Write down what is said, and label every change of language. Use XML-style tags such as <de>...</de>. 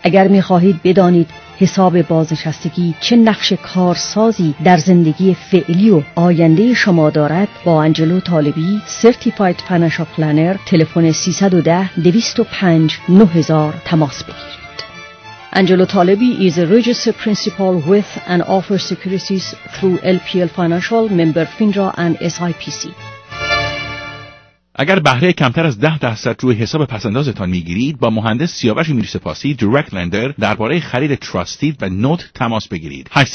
<fa>اگر می خواهید بدانید حساب بازنشستگی چه نقش کارسازی در زندگی فعلی و آینده شما دارد، با انجلو طالبی سرتیفاید فینانشل پلنر تلفن 310-205-9000 تماس بگیرید.</fa> <en>Angelo Talebi is a registered principal with and offers securities through LPL Financial, member FINRA and SIPC.</en> <fa>اگر بهره کمتر از 10% روی حساب پسندازتان میگیرید، با مهندس سیاوش میرسپاسی دایرکت لندر درباره خرید تراستی و نوت تماس بگیرید.</fa>